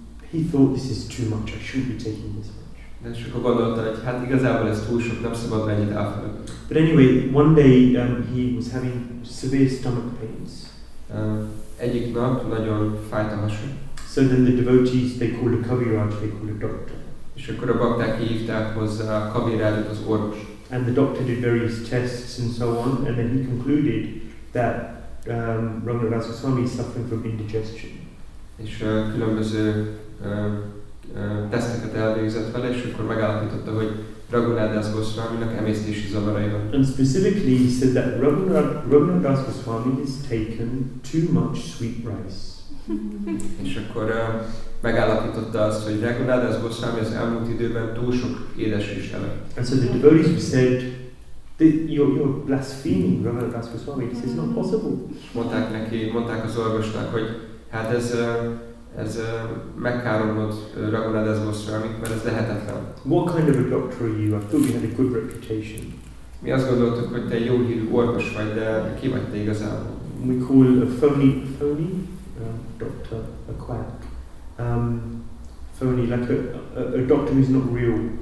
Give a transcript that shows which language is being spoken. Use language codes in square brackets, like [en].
[en] He thought this is too much, I shouldn't be taking this much. [hu] De és akkor gondolta, hogy hát igazából ez túl sok, nem szabad mennyit elfelelni. [en] But anyway, one day he was having severe stomach pains. [hu] Egyik nap nagyon fájt a hasa. [en] So then the devotees, they called a Kaviraj, they called a doctor. [hu] És akkor a bakták hívták hozzá a Kavirajot, az orvos. [en] And the doctor did various tests and so on, and then he concluded that Ravana Das Goswami is suffering from indigestion. [hu] És különböző teszteket elvégzett vele, és akkor megállapította, hogy Ravana Das Goswaminak emésztési zavarai van. [en] And specifically he said that Ravana Das Goswami has taken too much sweet rice. [hu] És akkor megállapította azt, hogy Ravana Das Goswami az elmúlt időben túl sok édes rizs evett. [en] And so the devotees said, you're blaspheming Ravana Das Goswami. This is not possible. [hu] Mondták neki, mondták az orvosnak, hogy hát ez megkáromlott Ravana Das Goswamit, mert ez lehetetlen. [en] What kind of a doctor are you? I thought you had a good reputation. [hu] Mi azt gondoltuk, hogy te jó hírű orvos vagy, de ki vagy te igazából? [en] We call a phony doctor, a quack. Phony, like a doctor who's not real.